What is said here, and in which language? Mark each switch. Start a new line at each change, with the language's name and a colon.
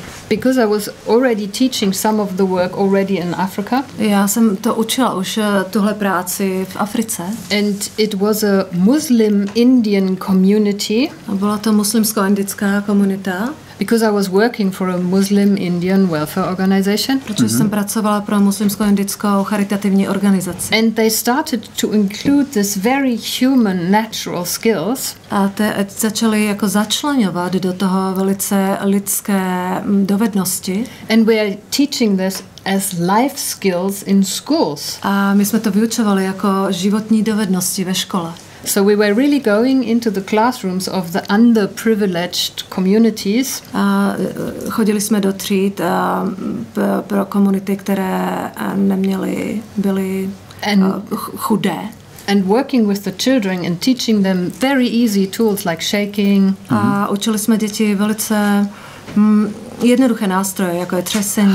English: Because I was already teaching some of the work already in Africa.
Czech: Já jsem to učila už tuhle práci v Africe.
English: And it was a Muslim Indian community.
Czech: A byla to muslimsko-indická komunita.
English: Because I was working for a Muslim Indian welfare organization.
Czech: Protože jsem pracovala pro muslimsko-indickou charitativní organizaci.
English: And they started to include this very human natural skills.
Czech: A te začaly jako začlenovat do toho velice lidské dovednosti.
English: And we are teaching this as life skills in schools.
Czech: A my jsme to vyučovali jako životní dovednosti ve škole.
English: So we were really going into the classrooms of the underprivileged communities.
Czech: Chodili jsme do tříd pro komunity, které neměly, byly chudé.
English: And working with the children and teaching them very easy tools like shaking.
Czech: A učili jsme děti velice jednoduché nástroje, jako je třesení.